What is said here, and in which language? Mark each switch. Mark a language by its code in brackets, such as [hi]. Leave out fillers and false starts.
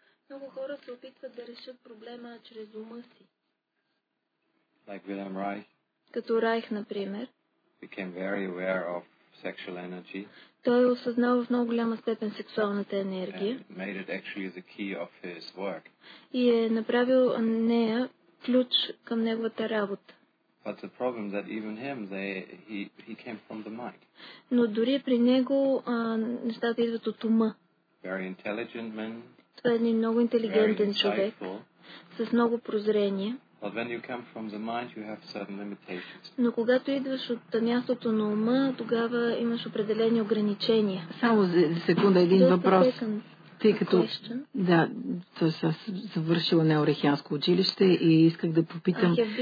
[bg] Много хора се опитват да решат проблема чрез ума си. [en] Like William Reich. [bg] Като Райх, например. [en] Became very aware of sexual energy. [bg] Той осъзнава в много голяма степен сексуалната енергия. [en] And made it actually the key of his work. [bg] И е направил нея ключ към неговата работа. [en] But the problem that even him, he came from the mind. [bg] Но дори при него нещата идват от ума. [en] Very intelligent man. [bg] Той е един много интелигентен човек. С много прозрение. [en] But when you come from the mind, you have certain limitations. [bg] Но когато идваш от мястото на ума, тогава имаш определени ограничения. Само за секунда един въпрос. Тъй като да, то се завършила неорехианско училище и исках да попитам.